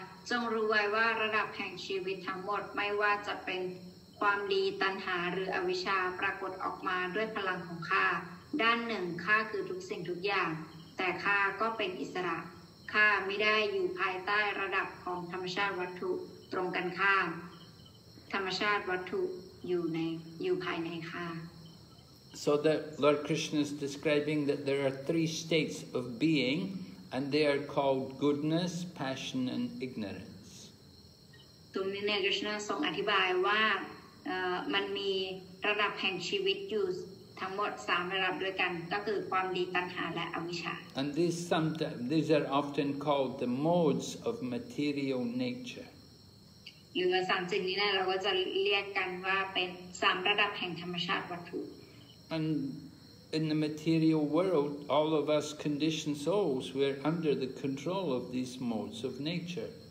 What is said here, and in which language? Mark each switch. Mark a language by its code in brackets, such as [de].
[th] จงรู้ไว้ว่าระดับแห่งชีวิตทั้งหมดไม่ว่าจะเป็นความดีตัณหาหรืออวิชชาปรากฏออกมาด้วยพลังของข้าด้านหนึ่งข้าคือทุกสิ่งทุกอย่างแต่ข้าก็เป็นอิสระข้าไม่ได้อยู่ภายใต้ระดับของธรรมชาติวัตถุตรงกันข้ามธรรมชาติวัตถุอยู่ภายในข้า [en] So that Lord Krishna is describing that there are three states of beingAnd they are called goodness, passion, and ignorance. [th] ตรงนี้เนี่ยคริสต์นาทรงอธิบายว่ามันมีระดับแห่งชีวิตอยู่ทั้งหมด3ระดับด้วยกันก็คือความดีตัณหาและอวิชชา [en] And these are often called the modes of material nature. [th] หรือว่า3สิ่งนี้เนี่ยเราก็จะเรียกกันว่าเป็น3ระดับแห่งธรรมชาติวัตถุ [en] AndIn the material world, all of us conditioned souls, we are under the control of these modes of nature.